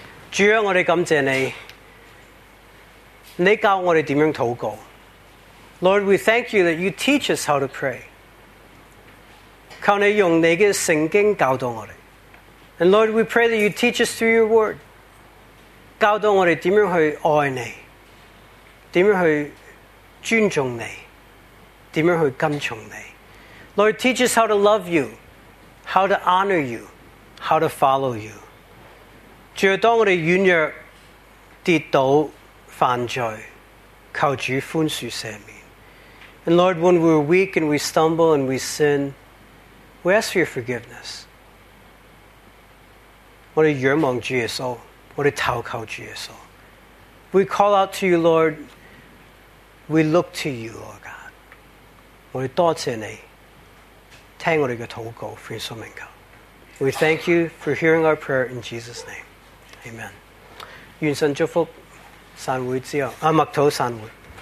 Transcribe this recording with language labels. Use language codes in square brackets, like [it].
[zh] 主啊，我们感谢你，你教我们怎样祷告。 [en] Lord, we thank you that you teach us how to pray. [zh] 靠你用你的圣经教导我们。 [en] And Lord, we pray that you teach us through your word. [zh] 教导我们怎样去爱你，怎样去尊重你，怎样去跟从你。 [en] Lord, teach us how to love you, how to honor you, how to follow you. [zh] 主，当我们软弱、跌倒、犯罪，求主宽恕赦免。 [en] And Lord, when we're weak and we stumble and we sin, we ask for your forgiveness. [zh] 我们仰望主耶稣，我们投靠主耶稣。 [en] We call out to you, Lord. We look to you, O God. [zh] 我们多谢你。听我们的祷告，奉主名求。 [en] We thank you for hearing our prayer in Jesus' name. Amen. [zh] 愿神祝福散会之后，麦土散会。